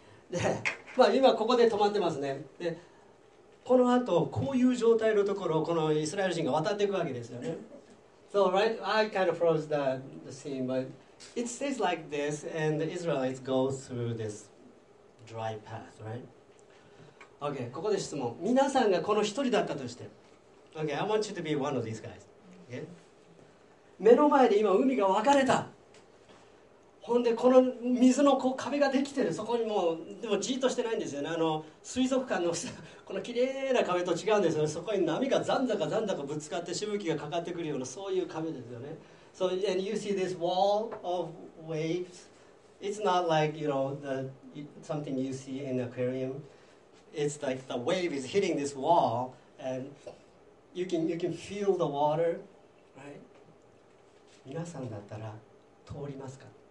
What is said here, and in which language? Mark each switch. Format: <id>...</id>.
<ja>で、まあ、今ここで止まってますね。で、このあとこういう状態のところをこのイスラエル人が渡っていくわけですよね。</ja> <en>So right, I kind of froze the scene, but it stays like this, and the Israelites go through this dry path, right? Okay,</en> <ja>ここで質問。皆さんがこの一人だったとして、</ja> <en>Okay, I want you to be one of these guys. Okay?</en> <ja>目の前で今海が分かれた。ほんでこの水のこう壁ができてる、そこにもうでもじっとしてないんですよね。あの水族館のこの綺麗な壁と違うんですよね。そこに波がざんざかざんざかぶつかってしぶきがかかってくるようなそういう壁ですよね。</ja> <en>So and you see this wall of waves. It's not like you know the something you see in the aquarium. It's like the wave is hitting this wall and you can feel the water, right?</en> <ja>皆さんだったら通りますか？</ja>